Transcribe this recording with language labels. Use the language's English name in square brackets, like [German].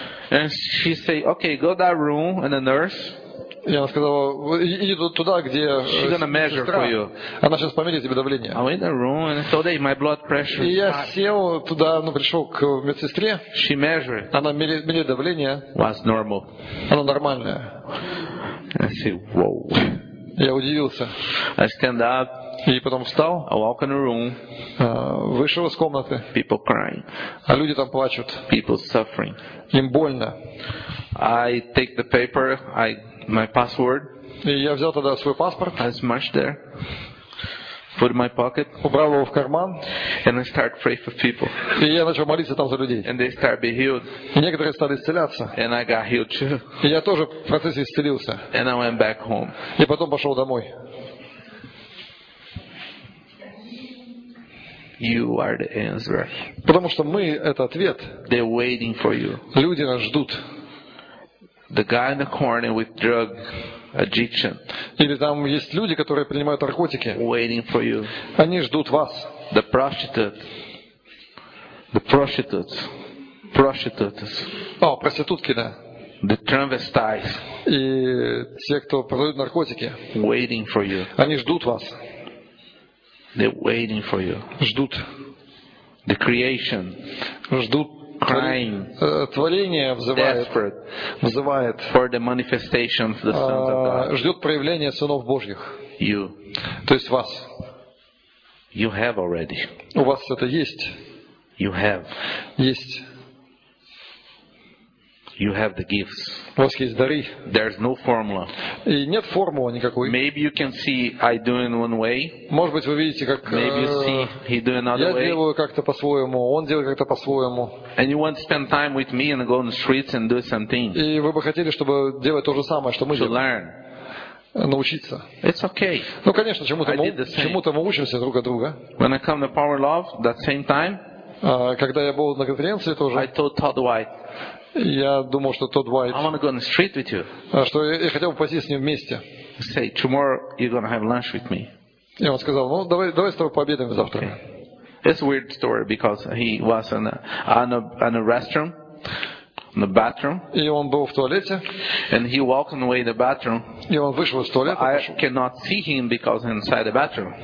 [English] And she say, okay, go to that room and the nurse. [Russian] Я сказал, иди туда, где сестра. Она сейчас померит тебе давление. [English] I went in the room and told her my blood pressure. [Russian] И я сел туда, ну пришел к медсестре. [English] She measured. [Russian] Она мерит давление. [English] Was normal. [Russian] Оно нормальное. [English] I said, wow. [Russian] Я удивился. [English] I stand up. [Russian] И потом встал. [English] I walk in the room. [Russian] Вышел из комнаты. [English] People crying. [Russian] А люди там плачут. [English] People suffering. [Russian] Им больно. [English] I take the paper. My password. [Russian] И я взял тогда свой паспорт. [English] I smashed there. Put in my pocket. [Russian] Убрал его в карман. [English] And I start pray for people. [Russian] И я начал молиться там за людей. [English] And they start be healed. [Russian] И некоторые стали исцеляться. [English] And I got healed too. [Russian] И я тоже в процессе исцелился. [English] And I went back home. [Russian] И потом пошел домой. [English] You are the answer. [Russian] Потому что мы это ответ. [English] They're waiting for you. [Russian] Люди нас ждут. [English] The guy in the corner with drug addiction. [Russian] Или там есть люди, которые принимают наркотики. [English] Waiting for you. [Russian] Они ждут вас. [English] The prostitute. The prostitutes. Prostitutes. [Russian] О, проститутки, да. [English] The transvestites. [Russian] И те, кто продают наркотики. [English] Waiting for you. [Russian] Они ждут вас. [English] They're waiting for you. [Russian] Ждут. [English] The creation. [Russian] Ждут. [English] Crying. [Russian] Творение вызывает [English] for the manifestation of the sons of God. [Russian] Ждет проявления сынов Божьих. [English] You. [Russian] То есть вас. [English] You have already. [Russian] У вас это есть. [English] You have. [Russian] Есть. [English] You have the gifts. [Russian] У вас есть дары. [English] There's no formula. [Russian] И нет формулы никакой. [English] Maybe you can see I do in one way. [Russian] Может быть, вы видите, как [English] Maybe you see he do another way. [Russian] Я делаю как-то по-своему, он делает как-то по-своему. [English] And you want to spend time with me and go on the streets and do something. [Russian] И вы бы хотели, чтобы делать то же самое, что мы делаем. [English] To learn. [Russian] Научиться. [English] It's okay. [Russian] Ну, конечно, чему-то мы учимся друг от друга. [English] When I come to Power Love, that same time. [Russian] Когда я был на конференции тоже. [English] I told Todd White. [Russian] Я думал, что Todd White. [English] I want to go on the street with you. [Russian] Что я хотел бы пойти с ним вместе. [English] Say tomorrow you're gonna have lunch with me. [Russian] Я ему сказал, ну давай с тобой пообедаем завтра. [English] Okay. It's a weird story because he was in a restroom, in the bathroom. [Russian] И он был в туалете. [English] And he walked away the bathroom. [Russian] И он вышел из туалета. [English] I cannot see him because inside the bathroom.